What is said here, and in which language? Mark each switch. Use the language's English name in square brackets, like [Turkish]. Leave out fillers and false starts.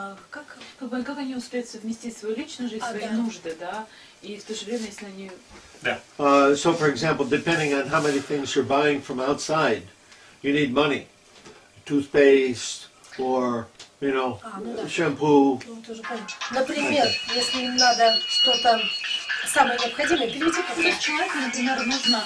[Russian] Как они успеют совместить свою личную жизнь, свои нужды, да? И в то же время, если они... [English] So, for example, depending on how many things you're buying from outside, you need money. Toothpaste or, you know, shampoo. [Russian] Например, если им надо что-то самое необходимое, берите как-то. Если человеку, например, нужно...